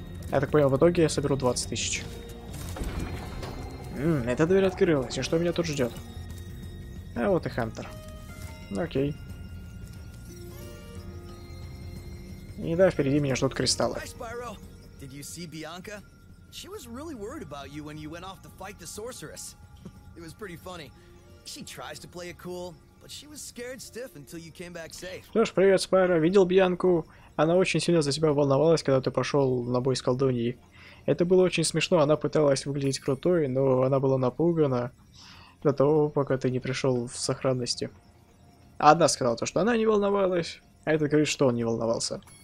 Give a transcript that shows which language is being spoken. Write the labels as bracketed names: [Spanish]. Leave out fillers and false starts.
[Russian] Я так понял, в итоге я соберу 20000. Эта дверь открылась, и что меня тут ждет? А вот и Хантер. Окей. И да, впереди меня ждут кристаллы. [English] Hi, Spyro. Did you see Bianca? She was really worried about you when you went off to fight the sorceress. It was pretty funny. She tries to play it cool, but she was scared stiff until you came back safe. [Russian] Что ж, привет, Спайро. Видел Бьянку. Она очень сильно за тебя волновалась, когда ты пошел на бой с колдуньей. Это было очень смешно. Она пыталась выглядеть крутой, но она была напугана до того, пока ты не пришел в сохранности. Одна сказала то, что она не волновалась. А это говорит, что он не волновался.